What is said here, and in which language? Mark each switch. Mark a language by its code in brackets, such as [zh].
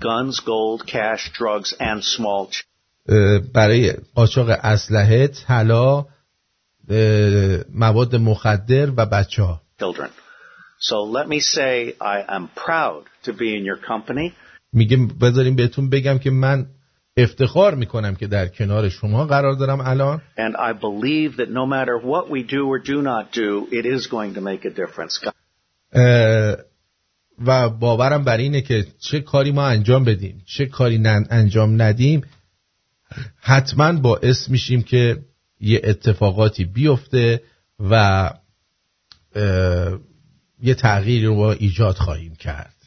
[en] Guns, gold, cash, drugs and small [fa] برای قاچاق اسلحه، طلا، مواد مخدر و بچه ها. [en] Children. So let me say I am proud to be in your company. [fa] میگه بذارین بهتون بگم که من افتخار میکنم که در کنار شما قرار دارم الان. [en] And I believe that no matter what we do or do not do, it is going to make a difference. [fa] و باورم بر اینه که چه کاری ما انجام بدیم، چه کاری انجام ندیم، حتما باعث میشیم که یه اتفاقاتی بیفته و یه تغییر رو ایجاد خواهیم کرد.